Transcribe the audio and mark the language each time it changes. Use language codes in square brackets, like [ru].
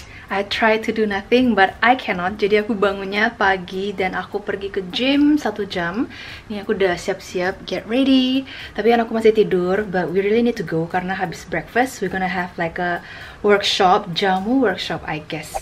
[en] I try to do nothing but I cannot. [id] Jadi aku bangunnya pagi dan aku pergi ke gym 1 jam. Ini aku udah siap-siap get ready. [en] Tapi anakku masih tidur, but we really need to go karena habis breakfast we're gonna have like a workshop, jamu workshop I guess.